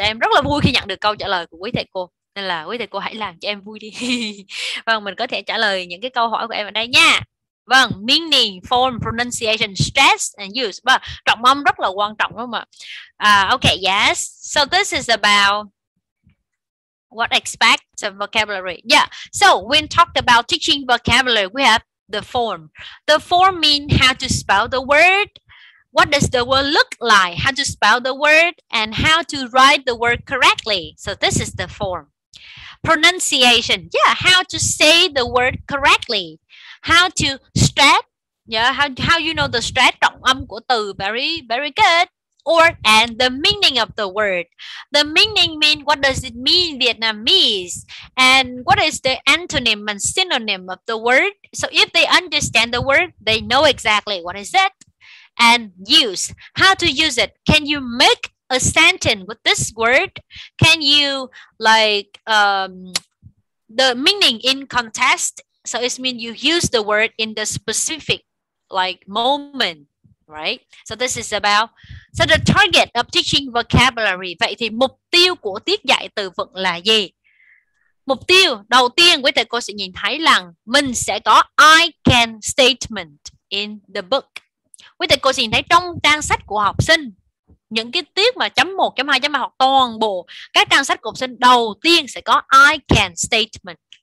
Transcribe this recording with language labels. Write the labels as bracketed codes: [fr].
[vi] Em rất là vui khi nhận được câu trả lời của quý thầy cô. Nên là quý thầy cô hãy làm cho em vui đi. Vâng, mình có thể trả lời những cái câu hỏi của em ở đây nha. Vâng, [en] meaning, form, pronunciation, stress and use. [vi] Vâng, trọng âm rất là quan trọng đúng không ạ? [en] Okay, yes. So this is about what expect of vocabulary. Yeah. So when talked about teaching vocabulary, we have the form. The form mean how to spell the word. What does the word look like? How to spell the word and how to write the word correctly? So this is the form. Pronunciation. Yeah, how to say the word correctly. How to stress. Yeah, how you know the stress, [vi] trọng âm của từ. [en] Very, very good. And the meaning of the word. The meaning mean, what does it mean in Vietnamese? And what is the antonym and synonym of the word? So if they understand the word, they know exactly what is it. And use, how to use it. Can you make a sentence with this word? Can you like the meaning in context? So it means you use the word in the specific like moment, right? So this is about, so the target of teaching vocabulary. [vi] Vậy thì mục tiêu của tiết dạy từ vựng là gì? Mục tiêu đầu tiên quý thầy cô sẽ nhìn thấy là mình sẽ có [en] I can statement in the book. [vi] Quý thầy cô sẽ nhìn thấy trong trang sách của học sinh, những cái tiết mà chấm 1, chấm 2, chấm 3 hoặc toàn bộ các trang sách của học sinh, đầu tiên sẽ có [en] I can statement.